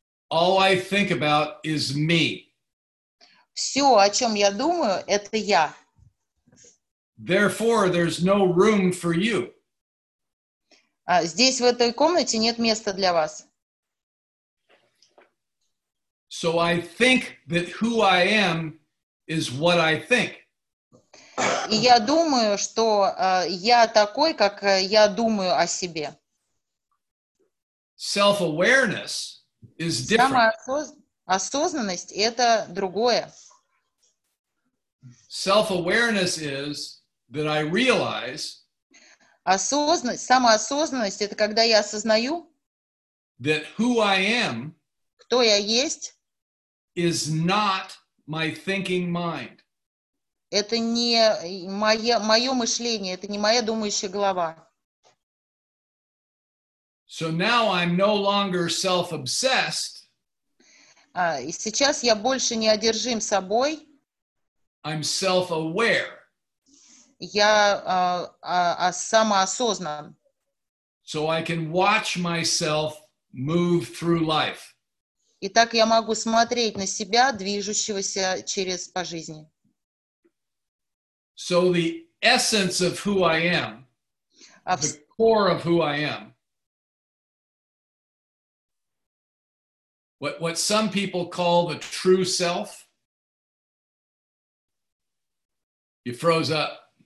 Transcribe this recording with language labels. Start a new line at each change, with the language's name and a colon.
English: All I think about is me.
Russian: Все, о чем я думаю, это я.
English: Therefore, there's no room for you.
Russian: Здесь, в этой комнате, нет места для вас.
English: So I think that who I am is what I think.
Russian: И я думаю, что я такой, как я думаю о себе.
English: Self-awareness is different.
Russian: Самоосознанность – это другое.
English: Self-awareness is that I realize
Russian: самоосознанность – это когда я осознаю,
English: that who I am,
Russian: кто я есть,
English: is not my thinking mind.
Russian: Это не мое мышление, это не моя думающая голова.
English: So now I'm no longer self-obsessed.
Russian: И сейчас я больше не одержим собой.
English: I'm self-aware.
Russian: Я самоосознан.
English: So I can watch myself move through life.
Russian: Итак, я могу смотреть на себя, движущегося через по жизни.
English: So the essence of who I am, the core of who I am, what some people call the true self, you froze up.